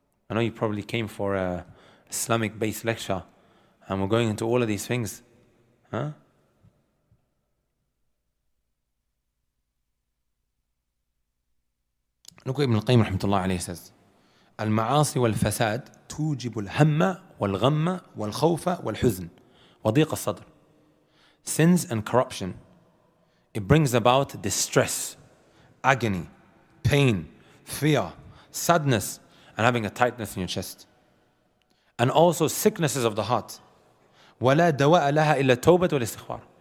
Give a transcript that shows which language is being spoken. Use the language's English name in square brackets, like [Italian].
[English] I know you probably came for a Islamic based lecture and we're going into all of these things. Huh? Look what Ibn al-Qayyim rahmatullah alayhi says. [Arabic] المعاصي والفساد توجب الهم والغم والخوف والحزن وضيق الصدر. [English] Sins and corruption, it brings about distress, agony, pain, fear, sadness, and having a tightness in your chest. And also sicknesses of the heart. [Arabic] وَلَا دَوَاءَ لَهَا إِلَّا التَّوْبَةُ وَالِاسْتِخْبَارُ.